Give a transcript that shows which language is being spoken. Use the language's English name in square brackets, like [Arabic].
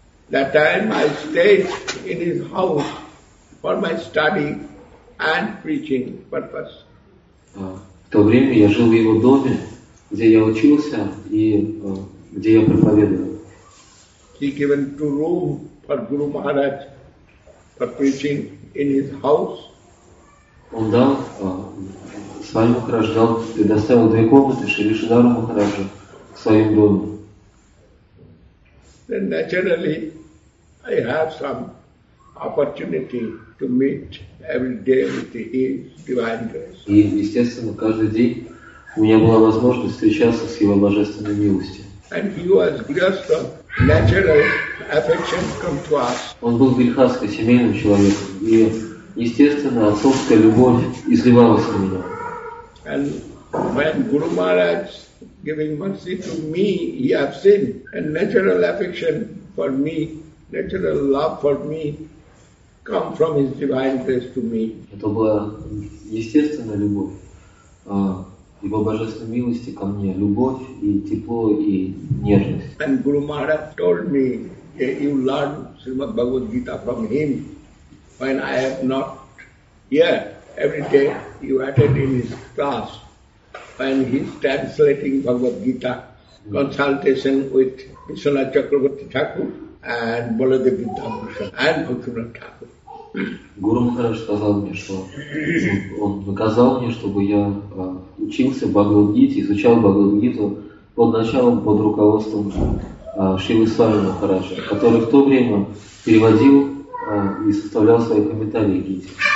[English] That time I stayed in his house for my study and preaching purpose. [Russian] В то время я жил в его доме, где я учился и где я проповедовал. [English] He given two rooms for Guru Maharaj for preaching in his house. [Russian] Он дал, Свами Махарадж дал, предоставил две комнаты Шри Шридхару Махараджу в своем доме. [English] Then naturally, I have some opportunity to meet every day with His Divine Grace. [Russian] И, естественно, каждый день у меня была возможность встречаться с Его Божественной милостью. [English] And He was just a natural affection come to us. [Russian] Он был грехастым семейным человеком, и естественно отцовская любовь изливалась на меня. [English] And when Guru Maharaj giving mercy to me, he have sinned, and natural affection for me, natural love for me, come from His divine grace to me. [Russian] Это была естественная любовь. Его божественной милости ко мне, любовь и тепло и нежность. [English] And Guru Maharaj told me, you learn Srimad Bhagavad Gita from him. When I have not here, every day you attend in his class. When he is translating Bhagavad Gita, consultation with Vishwanath Chakravarti Thakur and Baladev Vidyabhushan and Bhaktivinoda Thakur. [Russian] Гуру Махарадж сказал мне, что он наказал мне, чтобы я учился в Бхагавад-гите, изучал Бхагавад-гиту под началом, под руководством Шрилы Свами Махараджа, который в то время переводил и составлял свои комментарии к гите.